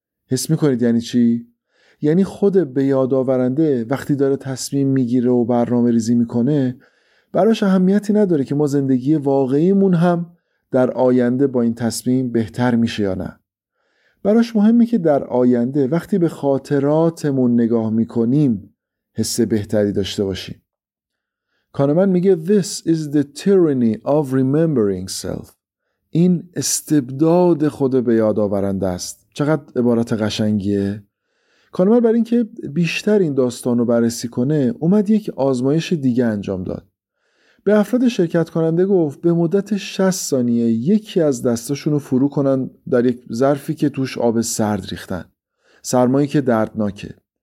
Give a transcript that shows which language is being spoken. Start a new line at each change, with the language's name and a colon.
Persian: حس میکنید یعنی چی؟ یعنی خود بیاد آورنده وقتی داره تصمیم میگیره و برنامه ریزی میکنه، براش اهمیتی نداره که ما زندگی واقعیمون هم در آینده با این تصمیم بهتر میشه یا نه. براش مهمه که در آینده وقتی به خاطراتمون نگاه میکنیم حس بهتری داشته باشیم. کانمن میگه
English: This is the tyranny of remembering self.
Persian: این استبداد خود بیاد آورنده است. چقدر عبارت قشنگیه؟ کانمن برای اینکه بیشتر این داستان رو بررسی کنه اومد یک آزمایش دیگه انجام داد. به افراد شرکت کننده گفت به مدت 60 ثانیه یکی از دستاشون رو فرو کنن در یک ظرفی که توش آب سرد ریختن، سرمایی که دردناکه.